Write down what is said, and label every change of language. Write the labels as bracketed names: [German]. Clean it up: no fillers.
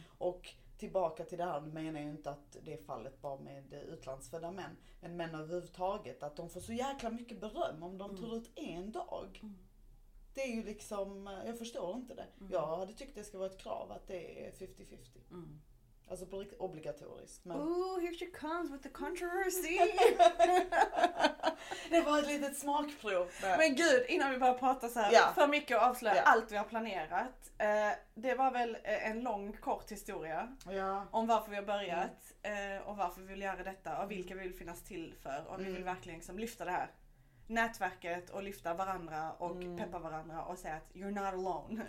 [Swedish] Och tillbaka till det här, nu menar jag inte att det är fallet bara med utlandsfödda män. Men män överhuvudtaget, att de får så jäkla mycket beröm om de tar ut en dag. Det är ju liksom, jag förstår inte det. Jag hade tyckt det ska vara ett krav att det är 50-50. Alltså på riktigt obligatoriskt. Men... [English] Ooh, here she comes with the controversy. [Swedish] Det var ett litet smakprov. Men gud, innan vi bara pratar så här, för mycket att avslöja allt vi har planerat. Det var väl en lång, kort historia om varför vi har börjat och varför vi vill göra detta och vilka vi vill finnas till för. Och vi vill verkligen liksom lyfta det här nätverket och lyfta varandra och peppa varandra och säga att [English] you're not alone.